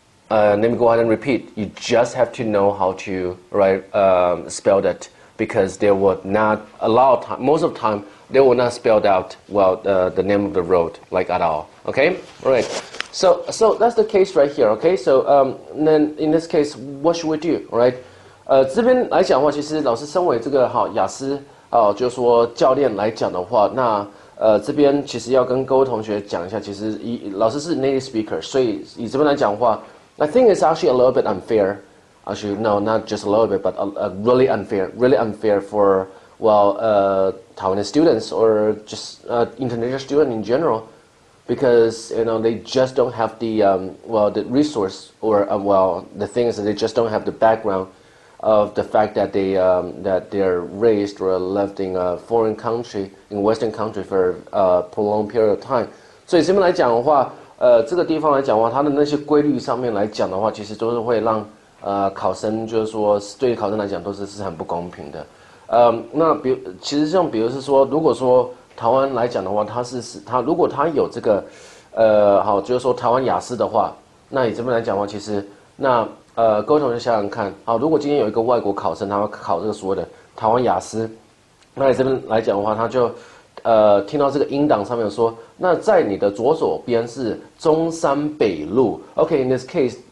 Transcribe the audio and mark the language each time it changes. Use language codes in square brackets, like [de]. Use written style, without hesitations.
[en] Let me go ahead and repeat： you just have to know how to write spell that， because there would not a lot of time， most of time they will not spell out well the name of the road like at all。 Okay, right. So that's the case right here. Okay, so then in this case, what should we do? [zh] Right, 这边来讲的话，其实老师身为这个哈雅思就是说教练来讲的话，那这边其实要跟各位同学讲一下，其实老师是 [en] native speaker， [zh] 所以以这边来讲的话， [en] I think it's actually a little bit unfair. Actually, no, not just a little bit, but really unfair, really unfair for Taiwanese students or just international student in general, because you know they just don't have the the resource or the thing is that they just don't have the background of the fact that they're raised or lived in a foreign country, in Western country for a prolonged period of time. [zh] 所以这边来讲的话，这个地方来讲的话，它的那些规律上面来讲的话，其实都是会让考生就是说对于考生来讲都是很不公平的。那比如其实像比如是说，如果说台湾来讲的话，他如果他有这个就是说台湾雅思的话，那你这边来讲的话，其实那各位同学想想看，好，如果今天有一个外国考生，他要考这个所谓的台湾雅思，那你这边来讲的话，他就听到这个音档上面说，那在你的左手边是中山北路，OK， [en] in this case。